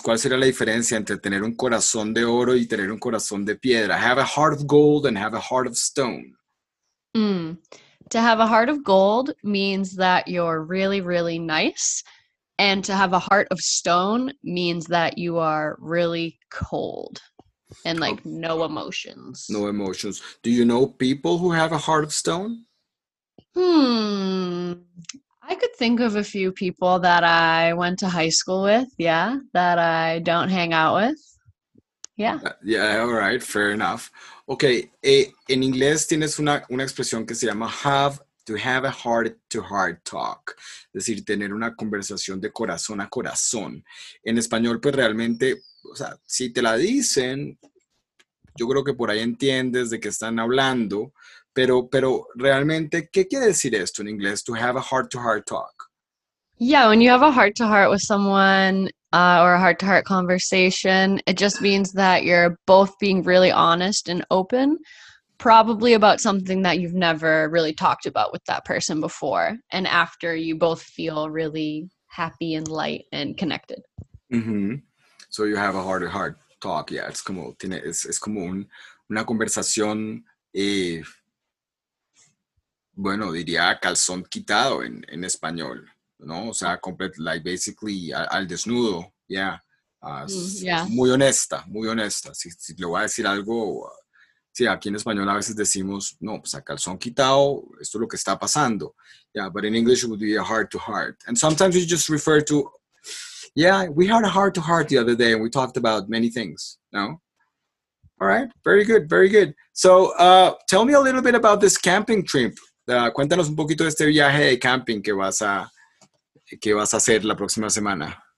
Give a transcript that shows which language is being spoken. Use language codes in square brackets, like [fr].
[es] ¿Cuál sería la diferencia entre tener un corazón de oro y tener un corazón de piedra? [en] Have a heart of gold and have a heart of stone. To have a heart of gold means that you're really, really nice. And to have a heart of stone means that you are really cold. And like no emotions. No emotions. Do you know people who have a heart of stone? I could think of a few people that I went to high school with, yeah, that I don't hang out with. Yeah. Yeah, all right, fair enough. [es] Okay, en inglés tienes una expresión que se llama [en] to have a heart-to-heart talk, [es] es decir, tener una conversación de corazón a corazón. En español, pues realmente, o sea, si te la dicen, yo creo que por ahí entiendes de qué están hablando, pero realmente, ¿qué quiere decir esto en inglés, [en] to have a heart-to-heart talk? Yeah, when you have a heart-to-heart with someone or a heart-to-heart conversation, it just means that you're both being really honest and open, probably about something that you've never really talked about with that person before. And after, you both feel really happy and light and connected. Mm-hmm. So you have a heart-to-heart talk. Yeah, it's [es] como, es como una conversación, bueno, diría calzón quitado en español. No, o sea, [en] like basically [es] al desnudo, yeah. [en] Yeah. [es] Muy honesta. Si le voy a decir algo, sí, aquí en español a veces decimos, no, pues a calzón quitado, esto es lo que está pasando. [en] Yeah, but in English it would be a heart to heart. And sometimes you just refer to, yeah, we had a heart to heart the other day and we talked about many things, no? All right, very good, very good. So tell me a little bit about this camping trip. [es] Cuéntanos un poquito de este viaje de camping que vas a hacer la próxima semana.